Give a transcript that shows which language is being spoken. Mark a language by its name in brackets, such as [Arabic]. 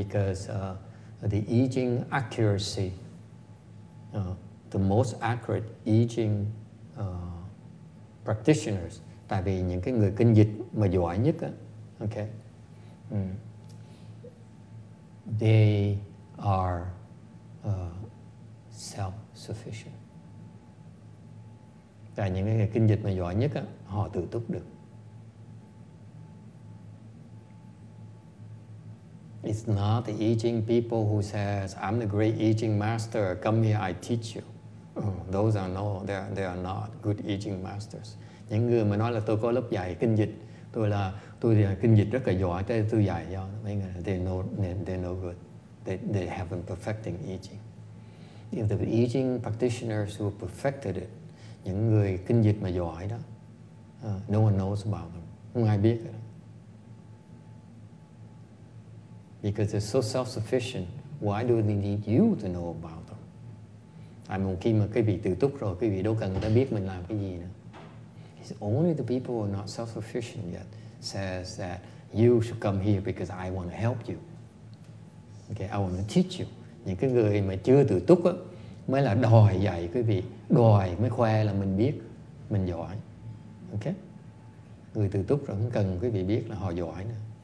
[English] Because the I Ching accuracy, the most accurate I Ching practitioners, [Vietnamese] tại vì những cái người kinh dịch mà giỏi nhất á, [English] okay. They are self-sufficient. [Vietnamese] Tại những cái người kinh dịch mà giỏi nhất á, họ tự túc được. [English] It's not the I Ching people who says, "I'm the great I Ching master. Come here, I teach you." Those are no, they are not good I Ching masters. [Vietnamese] Những người mà nói là tôi có lớp dạy kinh dịch, tôi là kinh dịch rất là giỏi, thế tôi dạy cho mấy người, [English] they're no good. They haven't perfecting I Ching. If the I Ching practitioners who perfected it, [Vietnamese] những người kinh dịch mà giỏi đó, [English] no one knows about them. [Vietnamese] Không ai biết cái đó. [English] Because they're so self-sufficient, why do they need you to know about them? [Vietnamese] Tại một khi mà cái vị tự túc rồi, cái vị đâu cần người ta biết mình làm cái gì nữa. [English] It's only the people who are not self-sufficient yet says that you should come here because I want to help you. Okay, I want to teach you. [Vietnamese] Những cái người mà chưa tự túc á, mới là đòi dạy cái vị, đòi mới khoe là mình biết, mình giỏi. Okay, người tự túc rồi không cần cái vị biết là họ giỏi nữa.